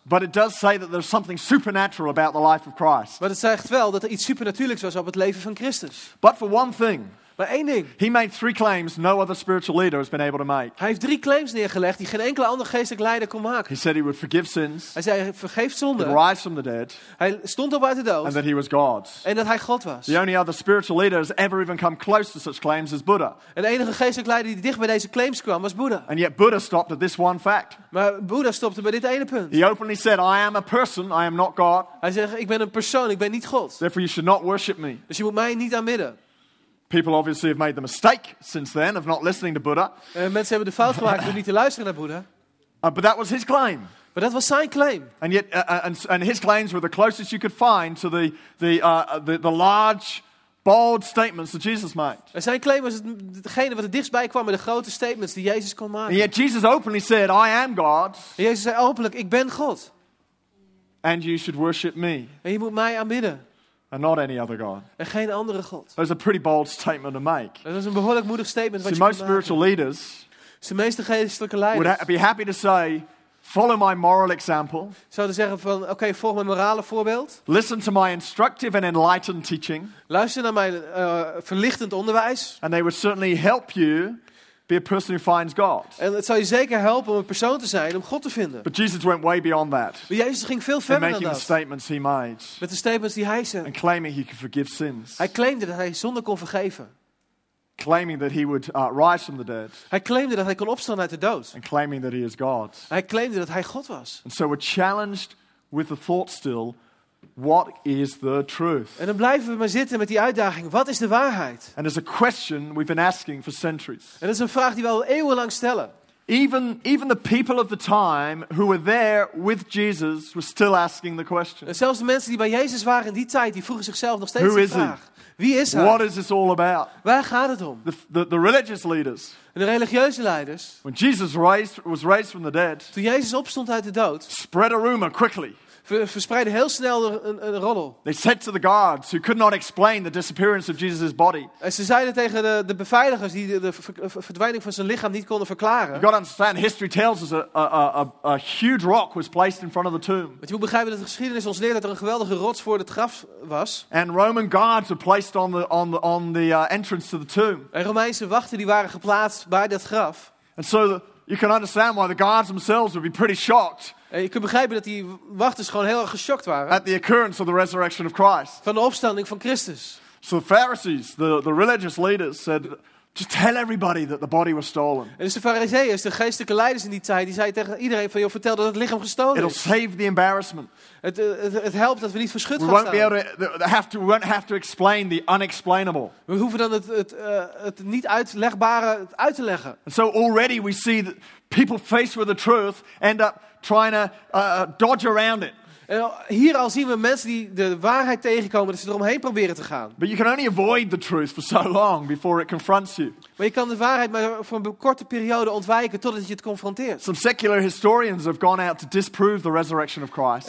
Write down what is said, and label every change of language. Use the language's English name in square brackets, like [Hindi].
[English] But it does say that there's something supernatural about the life of Christ. [Dutch] Maar het zegt wel dat er iets supernatuurlijks was op het leven van Christus. [English] But for one thing. [Dutch] Maar één ding. [English] He made three claims no other spiritual leader has been able to make. [Dutch] Hij heeft drie claims neergelegd die geen enkele andere geestelijke leider kon maken. [English] He said he would forgive sins. [Dutch] Hij zei hij vergeeft zonden. [English] He'd rise from the dead. [Dutch] Hij stond op uit de dood. [English] And that he was God. [Dutch] En dat hij God was. [English] The only other spiritual leader has ever even come close to such claims is Buddha. [Dutch] En de enige geestelijke leider die dicht bij deze claims kwam was Buddha. [English] And yet Buddha stopped at this one fact. [Dutch] Maar Buddha stopte bij dit ene punt. [English] He openly said, "I am a person. I am not God." [Dutch] Hij zegt ik ben een persoon. Ik ben niet God. [English] Therefore, you should not worship me. [Dutch] Dus je moet mij niet aanbidden. [English] People obviously have made the mistake since then of not listening to Buddha. [Dutch] Mensen hebben de fout gemaakt om niet te luisteren naar Buddha. [English] But that was his claim. But that was sign claim. And yet and his claims were the closest you could find to the large bold statements that Jesus made. [Dutch] En zijn claim was hetgene wat het dichtstbij kwam met de grote statements die Jezus kon maken. [English] And yet Jesus openly said, "I am God." [Dutch] En Jezus zei openlijk, "Ik ben God." [English] And you should worship me. [Dutch] En je moet mij aanbidden. [English] And not any other god. [Dutch] En geen andere god. [English] That was a pretty bold statement to make. [Dutch] Dat was een behoorlijk moedig statement wat [English] je most spiritual leaders. [Dutch] De meeste geestelijke leiders. [English] Would be happy to say, follow my moral example. [Dutch] Zouden zeggen van, oké, volg mijn morale voorbeeld. [English] Listen to my instructive and enlightened teaching. [Dutch] Luister naar mijn verlichtend onderwijs. [English] And they would certainly help you. Be a person who finds God. [Dutch] En het zou je zeker helpen om een persoon te zijn, om God te vinden. [English] But Jesus went way beyond that. [Dutch] Maar Jezus ging veel verder dan dat. [English] Making the statements he made. [Dutch] Met de statements die hij zei. [English] And claiming he could forgive sins. [Dutch] Hij claimde dat hij zonden kon vergeven. [English] Claiming that he would rise from the dead. [Dutch] Hij claimde dat hij kon opstaan uit de dood. [English] And claiming that he is God. [Dutch] Hij claimde dat hij God was. [English] And so we're challenged with the thought still, what is the truth? [Dutch] En dan blijven we maar zitten met die uitdaging. Wat is de waarheid? [English] And it's a question we've been asking for centuries. [Dutch] En dat is een vraag die we al eeuwenlang stellen. [English] Even the people of the time who were there with Jesus were still asking the question. [Dutch] En zelfs de mensen die bij Jezus waren in die tijd, die vroegen zichzelf nog steeds [English] who [Dutch] de vraag. Wie is hij? [English] What is this all about? [Dutch] Waar gaat het om? [English] The religious leaders. [Dutch] En de religieuze leiders. [English] When Jesus was raised from the dead. [Dutch] Toen Jezus opstond uit de dood. [English] Spread a rumor quickly. [Dutch] Verspreidde heel snel een roddel. [English] They said to the guards who could not explain the disappearance of Jesus' body. [Dutch] En ze zeiden tegen de beveiligers die de verdwijning van zijn lichaam niet konden verklaren. [English] You got to understand, history tells us a huge rock was placed in front of the tomb. [Dutch] Want je moet begrijpen dat de geschiedenis ons leert dat er een geweldige rots voor het graf was. [English] And Roman guards were placed on the entrance to the tomb. [Dutch] En Romeinse wachten die waren geplaatst bij dat graf. [English] And so you can understand why the guards themselves would be pretty shocked. [Dutch] En je kunt begrijpen dat die wachters gewoon heel erg geschokt waren. [English] At the occurrence of the resurrection of Christ. [Dutch] Van de opstanding van Christus. [English] So the Pharisees, the religious leaders said, just tell everybody that the body was stolen. [Dutch] En dus de Farizeeën, de geestelijke leiders in die tijd, die zeiden tegen iedereen van, joh, vertel dat het lichaam gestolen is. [English] It'll save the embarrassment. [Dutch] Het helpt dat we niet verschut gaan staan. [English] We won't have to explain the unexplainable. [Dutch] We hoeven dan het niet uitlegbare uit te leggen. [English] And so already we see that people faced with the truth end up trying to dodge around it. [Dutch] Hier al zien we mensen die de waarheid tegenkomen, dat ze eromheen proberen te gaan. [English] But you can only avoid the truth for so long before it confronts you. [Dutch] Maar je kan de waarheid maar voor een korte periode ontwijken totdat je het confronteert. [English] Some secular historians have gone out to disprove the resurrection of Christ.